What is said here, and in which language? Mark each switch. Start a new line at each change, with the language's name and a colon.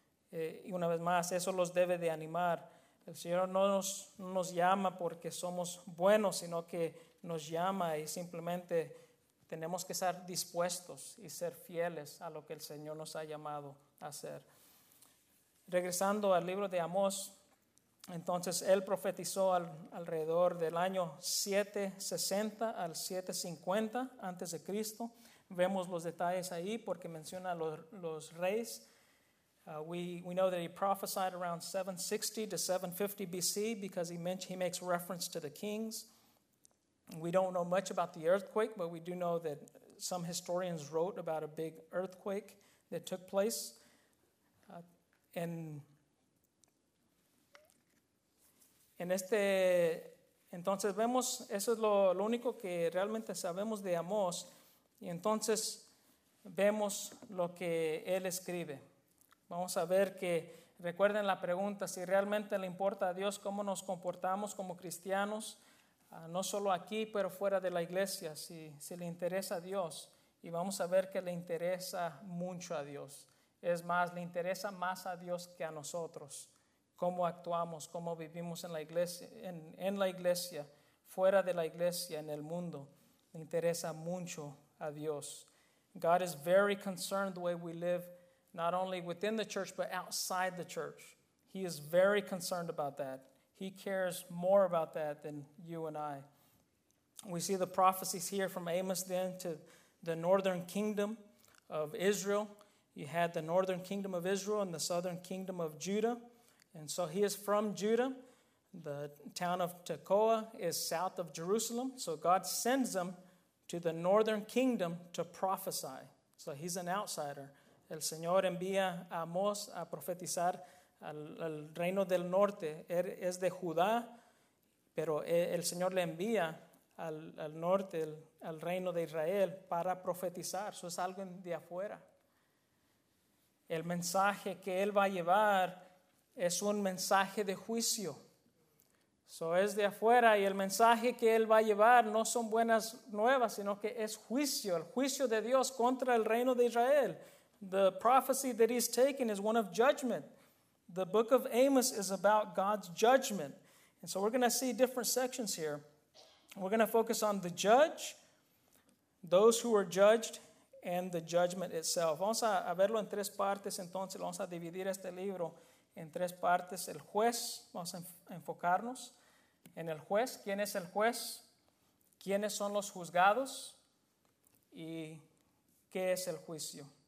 Spanish: Y una vez más, eso los debe de animar. El Señor no nos llama porque somos buenos, sino que nos llama y simplemente tenemos que estar dispuestos y ser fieles a lo que el Señor nos ha llamado hacer. Regresando al libro de Amós, entonces él profetizó alrededor del año 760 al 750 antes de Cristo. Vemos los detalles ahí porque menciona los reyes.
English: We know that he prophesied around 760 to 750 BC because he makes reference to the kings. We don't know much about the earthquake, but we do know that some historians wrote about a big earthquake that took place.
Spanish: Entonces vemos, eso es lo único que realmente sabemos de Amós, y entonces vemos lo que él escribe. Vamos a ver que, recuerden la pregunta, si realmente le importa a Dios cómo nos comportamos como cristianos, no solo aquí, pero fuera de la iglesia, si le interesa a Dios, y vamos a ver que le interesa mucho a Dios. Es más, le interesa más a Dios que a nosotros. cómo actuamos, cómo vivimos en la iglesia, en la iglesia, fuera de la iglesia, en el mundo, le interesa mucho a Dios.
English: God is very concerned the way we live, not only within the church, but outside the church. He is very concerned about that. He cares more about that than you and I. We see the prophecies here from Amos then to the northern kingdom of Israel. You had the northern kingdom of Israel and the southern kingdom of Judah. And so he is from Judah. The town of Tekoa is south of Jerusalem. So God sends him to the northern kingdom to prophesy. So he's an outsider.
Spanish: El Señor envía a Amós a profetizar al reino del norte. Él es de Judá, pero el Señor le envía al norte, al reino de Israel, para profetizar. Eso es algo de afuera. El mensaje que él va a llevar es un mensaje de juicio. Eso es de afuera, y el mensaje que él va a llevar no son buenas nuevas, sino que es juicio, el juicio de Dios contra el reino de Israel.
English: The prophecy that he's taking is one of judgment. The book of Amos is about God's judgment. And so we're going to see different sections here. We're going to focus on the judge, those who were judged, and the judgment itself.
Spanish: Vamos a verlo en tres partes, entonces. Vamos a dividir este libro en tres partes. El juez, vamos a enfocarnos en el juez. ¿Quién es el juez? ¿Quiénes son los juzgados? ¿Y qué es el juicio?